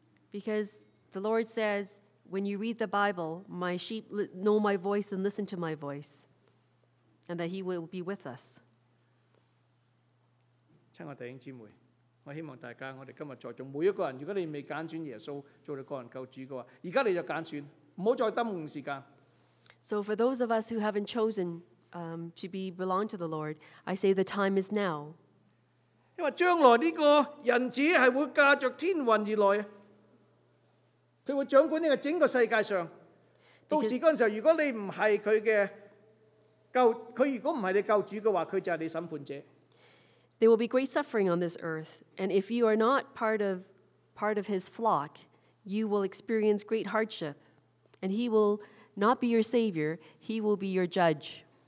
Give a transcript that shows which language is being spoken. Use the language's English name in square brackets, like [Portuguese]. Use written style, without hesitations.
[English] Because the Lord says, when you read the Bible, my sheep know my voice and listen to my voice. And that he will be with us. [Chinese] 亲爱的弟兄姊妹, 我希望大家, 我们今天在众, 每一个人, 如果你未拣选耶稣做你个人救主的话, 现在你就拣选, 不要再耽误时间。 [English] So for those of us who haven't chosen to belong to the Lord, I say the time is now. [Chinese] 因为将来这个人子是会驾着天云而来, 他会掌管这个整个世界上, 到时的时候, 如果你不是他的, 救, [English] there will be great suffering on this earth, and if you are not part of his flock, you will experience great hardship, and he will not be your savior, he will be your judge.